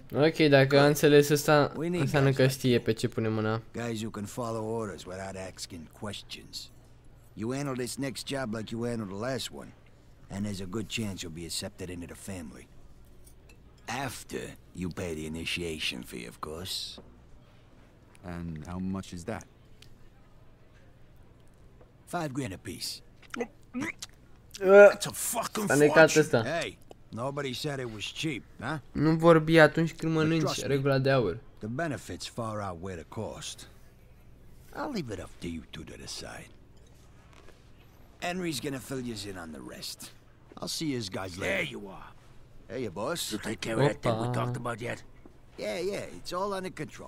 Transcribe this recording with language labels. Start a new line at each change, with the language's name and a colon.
Romanian: Ok, dacă a înțeles ăsta, înseamnă că știe pe ce pune mâna.
English: Guys who can follow orders without asking questions. You handle this next job like you handled the last one, and there's a good chance you'll be accepted into the family. After you pay the initiation fee, of course. And how much is that? $5,000 apiece. That's a fucking fortune. Hey, nobody said it was cheap, huh?
Romanian: Nu vorbi atunci când mănânci, regula de aur.
English: The benefits far outweigh the cost. I'll leave it up to you two to decide. Henry's gonna fill yous in on the rest. I'll see yous guys later. There you are. Hey, your boss. You take care of that thing we talked about yet? Yeah, yeah, it's all under control.